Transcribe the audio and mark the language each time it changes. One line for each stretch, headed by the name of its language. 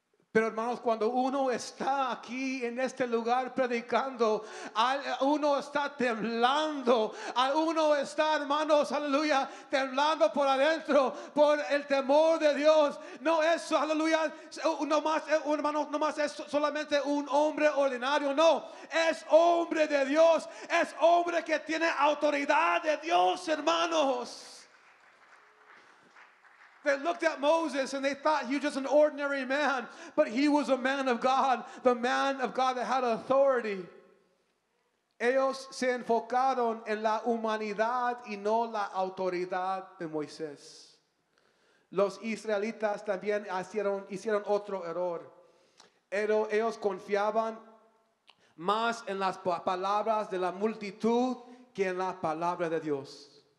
Spanish: Pero hermanos, cuando uno está aquí en este lugar predicando, uno está temblando, uno está, hermanos, aleluya, temblando por adentro, por el temor de Dios. No es, aleluya, nomás, hermanos, nomás es solamente un hombre ordinario. No, es hombre de Dios, es hombre que tiene autoridad de Dios, hermanos.
English: They looked at Moses and they thought he was just an ordinary man, but he was a man of God, the man of God that had authority.
Spanish: Ellos se enfocaron en la humanidad y no la autoridad de Moisés. Los israelitas también hicieron otro error. Ellos confiaban más en las palabras de la multitud que en la palabra de Dios.